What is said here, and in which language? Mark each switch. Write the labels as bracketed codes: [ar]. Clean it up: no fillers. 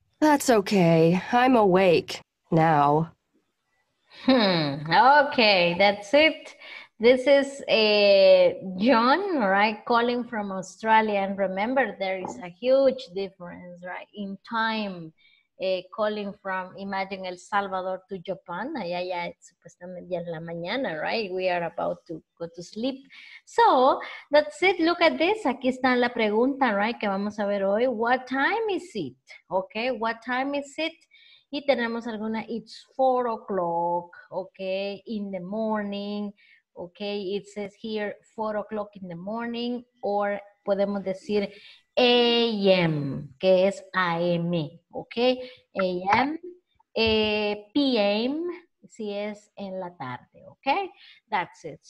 [en] That's okay. I'm awake now. Okay, that's it. This is John, right, calling from Australia. And remember, there is a huge difference, right, in time. Calling from, imagine, El Salvador to Japan. [es] Allá ya es supuestamente en la mañana, [en] right? We are about to go to sleep. So, that's it. Look at this. [es] Aquí está la pregunta, right, que vamos a ver hoy. [en] What time is it? Okay, what time is it? [es] Y tenemos alguna, [en] it's 4 o'clock, okay, in the morning. Okay, it says here 4 o'clock in the morning, or [es] podemos decir AM, que es AM, okay, AM, PM, si es en la tarde, [en] okay, that's it.